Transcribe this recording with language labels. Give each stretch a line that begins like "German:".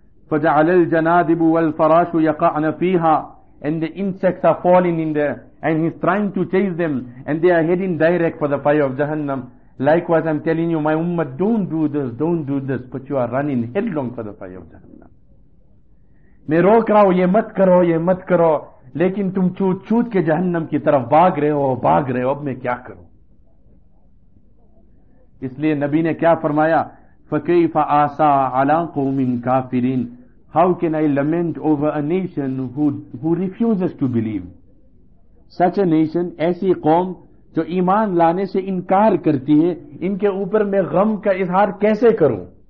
Arabic: فَجَعَلَ الْجَنَادِبُ وَالْفَرَاشُ يَقَعْنَ فِيهَا.
English: And the insects are falling in there, and he's trying to chase them, and they are heading direct for the fire of Jahannam. Likewise, I'm telling you, my ummah, don't do this, don't do this, but you are running headlong for the fire of Jahannam.
Urdu: میں روک رہا ہوں یہ مت کرو یہ مت کرو لیکن تم چوت چوت کے جہنم کی طرف بھاگ رہے ہو بھاگ رہے ہو اب میں کیا کروں. اس لئے نبی نے کیا فرمایا
Arabic: فَكَيْفَ آسَىٰ عَلَىٰ قُوْمٍ كَافِرِينَ.
English: How can I lament over a nation who refuses to believe? Such a nation,
Urdu: ایسی قوم جو ایمان لانے سے انکار کرتی ہے ان کے اوپر میں غم کا اظہار کیسے کروں.